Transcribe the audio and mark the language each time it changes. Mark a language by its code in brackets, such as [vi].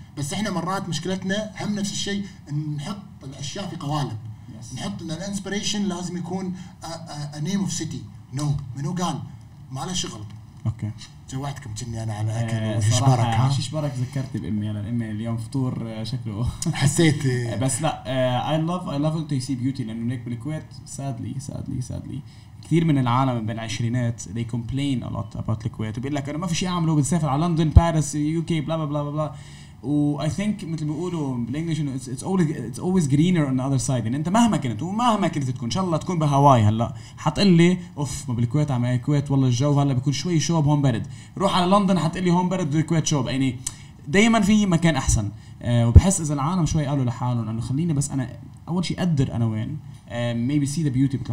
[ar] بس احنا مرات مشكلتنا هم نفس الشيء، نحط الاشياء في قوالب. نحط ان الانسبيريشن لازم يكون نيم اوف سيتي. نو، منو قال؟ ما له شغل. اوكي جوعتكم كني انا على اكل وشبرك. ها شبرك، ذكرتي بامي. انا امي اليوم فطور شكله حسيت بس لا [en] I love to see beauty. [ar] لانه هناك بالكويت sadly كثير من العالم بالعشرينات [en] they complain a lot about [ar] الكويت، وبيقول لك انا ما في شيء اعمله، بنسافر على لندن، باريس، يو كي، بلا بلا بلا. [en] و I think [ar] مثل ما بيقولوا بالانجلش انه [en] it's always greener on the other side. [ar] يعني انت مهما كنت ومهما كنت تكون، ان شاء الله تكون بهاواي هلا، حتقول لي اوف ما بالكويت، عم الكويت والله الجو هلا بيكون شوي شوب هون برد، روح على لندن حتقول لي هون برد الكويت شوب. يعني دائما في مكان احسن. وبحس اذا العالم شوي قالوا لحالهم انه خليني بس انا اول شيء اقدر انا وين، [en] maybe see the beauty.